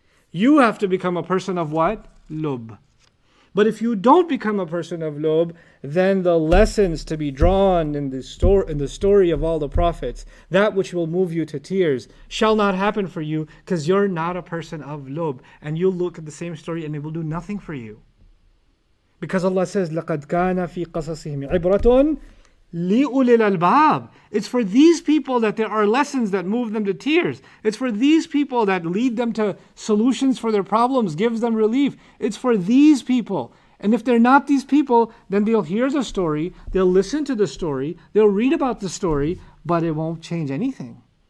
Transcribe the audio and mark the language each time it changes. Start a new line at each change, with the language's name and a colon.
English: You have to become a person of what? Lub. But if you don't become a person of lub, then the lessons to be drawn in the story of all the prophets, that which will move you to tears, shall not happen for you, because you're not a person of lub. And you'll look at the same story and it will do nothing for you. Because Allah says,
Arabic: لَقَدْ كَانَ فِي قَصَصِهِمْ عِبْرَةٌ لِأُولِي الْأَلْبَابِ.
English: It's for these people that there are lessons that move them to tears. It's for these people that lead them to solutions for their problems, gives them relief. It's for these people. And if they're not these people, then they'll hear the story, they'll listen to the story, they'll read about the story, but it won't change anything.